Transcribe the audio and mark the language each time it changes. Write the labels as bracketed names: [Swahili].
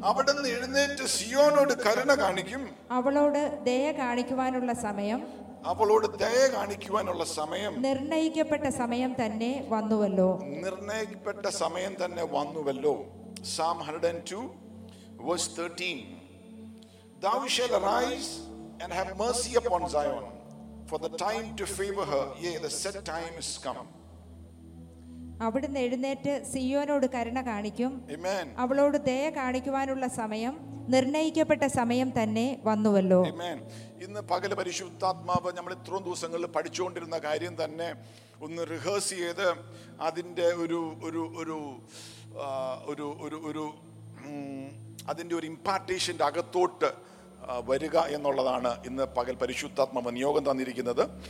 [Malayalam] അവിടുന്ന് എഴുന്നേറ്റ് സിയോനോട് കരുണ കാണിക്കും. അവളോട് ദയ കാണിക്കുവാനുള്ള സമയം നിർണയിക്കപ്പെട്ട സമയം തന്നെ വന്നുവല്ലോ. നിർണയിക്കപ്പെട്ട സമയം തന്നെ വന്നുവല്ലോ. [English] Psalm 102, verse 13. Thou shalt arise and have mercy upon Zion, for the time to favor her, yea, the set time is come. [Malayalam] അവിടുന്ന് എഴുന്നേറ്റ് സിയോനോട് കരുണ കാണിക്കും. ആമേൻ. അവളോട് ദയ കാണിക്കുവാനുള്ള സമയം നിർണയിക്കപ്പെട്ട സമയം തന്നെ വന്നുവല്ലോ. ആമേൻ. ഇന്ന് പകല് പരിശുദ്ധാത്മാവ് നമ്മൾ ഇത്രയും ദിവസങ്ങളിൽ പഠിച്ചുകൊണ്ടിരുന്ന കാര്യം തന്നെ ഒന്ന് റിഹേഴ്സ് ചെയ്ത് അതിൻ്റെ ഒരു ഒരു ഒരു ഒരു ഒരു ഒരു അതിൻ്റെ ഒരു ഇമ്പാർട്ടേഷൻ്റെ അകത്തോട്ട് വരിക എന്നുള്ളതാണ് ഇന്ന് പകൽ പരിശുദ്ധാത്മാവ് നിയോഗം തന്നിരിക്കുന്നത്.